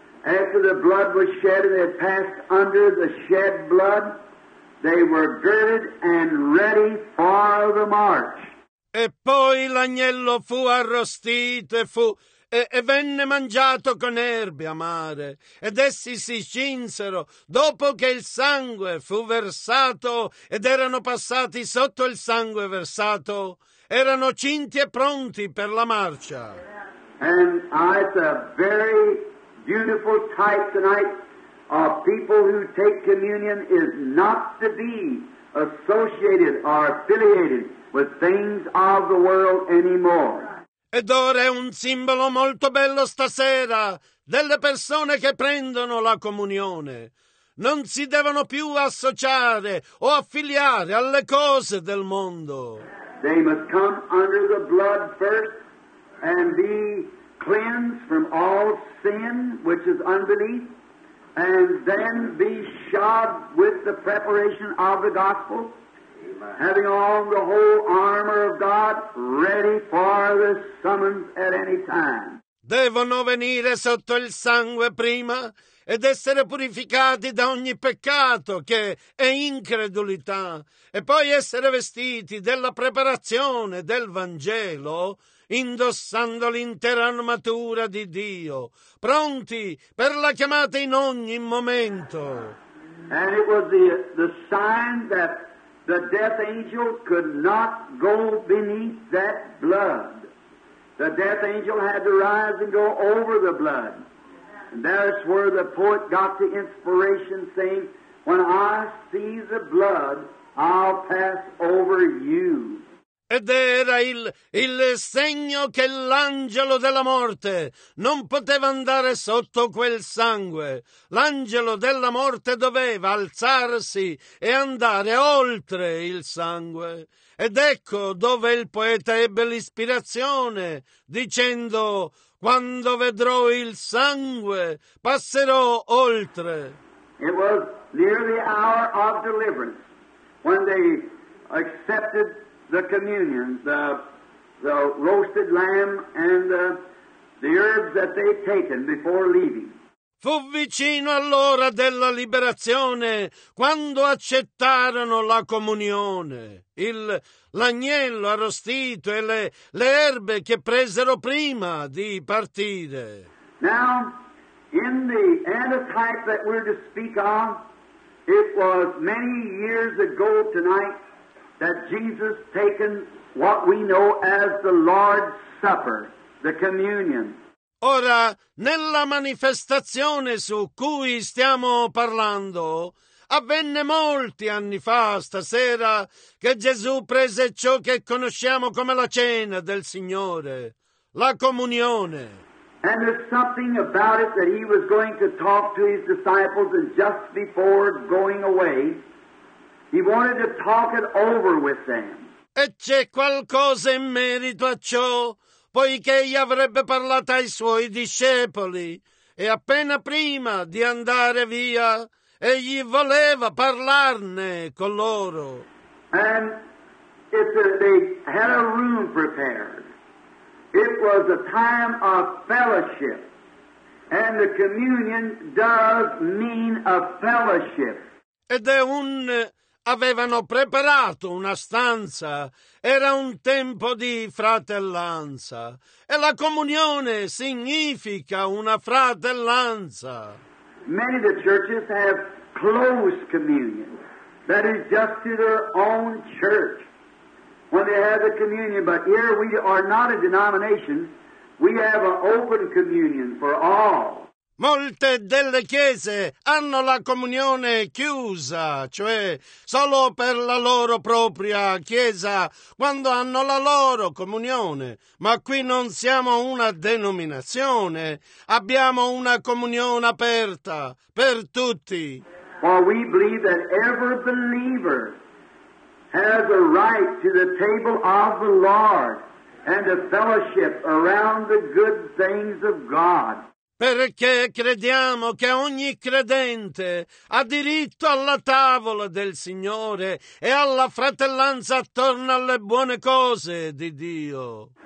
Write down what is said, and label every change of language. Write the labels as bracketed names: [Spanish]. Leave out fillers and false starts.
[English] After the blood was shed and they passed under the shed blood, they were girded and ready for the march. [Italian] E poi l'agnello fu arrostito e venne mangiato con erbe amare, ed essi si cinsero dopo che il sangue fu versato ed erano passati sotto il sangue versato, erano cinti e pronti per la marcia. [English] And it's a very beautiful type tonight of people who take communion is not to be associated or affiliated with things of the world anymore. [Italian] Ed ora è un simbolo molto bello stasera delle persone che prendono la comunione. Non si devono più associare o affiliare alle cose del mondo. [English] They must come under the blood first and be cleansed from all sin which is unbelief, and then be shod with the preparation of the gospel. Having on the whole armor of God ready for the summons at any time. [Italian] Devono venire sotto il sangue prima ed essere purificati da ogni peccato che è incredulità e poi essere vestiti della preparazione del Vangelo indossando l'intera armatura di Dio, pronti per la chiamata in ogni momento. [English] And it was the sign that the death angel could not go beneath that blood. The death angel had to rise and go over the blood. And that's where the poet got the inspiration, saying, "When I see the blood, I'll pass over you." [Italian] Ed era il segno che l'angelo della morte non poteva andare sotto quel sangue. L'angelo della morte doveva alzarsi e andare oltre il sangue. Ed ecco dove il poeta ebbe l'ispirazione, dicendo: "Quando vedrò il sangue, passerò oltre." [English] It was near the hour of deliverance when they accepted the communion, the roasted lamb and the herbs that they'd taken before leaving. [Italian] Fu vicino all'ora della liberazione quando accettarono la comunione, l'agnello arrostito e le erbe che presero prima di partire. [English] Now, in the antitype that we're to speak of, it was many years ago tonight that Jesus taken what we know as the Lord's Supper, the communion. [Italian] Ora, nella manifestazione su cui stiamo parlando, avvenne molti anni fa, stasera, che Gesù prese ciò che conosciamo come la cena del Signore, la comunione. [English] And there's something about it that he was going to talk to his disciples, and just before going away, he wanted to talk it over with them. [Italian] E c'è qualcosa in merito a ciò. poiché egli avrebbe parlato ai suoi discepoli, e appena prima di andare via, egli voleva parlarne con loro. [English] And it's a, they had a room prepared. It was a time of fellowship. And the communion does mean a fellowship. [Italian] Ed è un... avevano preparato una stanza, era un tempo di fratellanza, e la comunione significa una fratellanza. [English] Many of the churches have closed communion, that is just to their own church, when they have the communion, but here we are not a denomination, we have an open communion for all. [Italian] Molte delle chiese hanno la comunione chiusa, cioè solo per la loro propria chiesa, quando hanno la loro comunione. Ma qui non siamo una denominazione, abbiamo una comunione aperta per tutti. [English] For we believe that every believer has a right to the table of the Lord and a fellowship around the good things of God. [Italian] Perché crediamo che ogni credente ha diritto alla tavola del Signore e alla fratellanza attorno alle buone cose di Dio.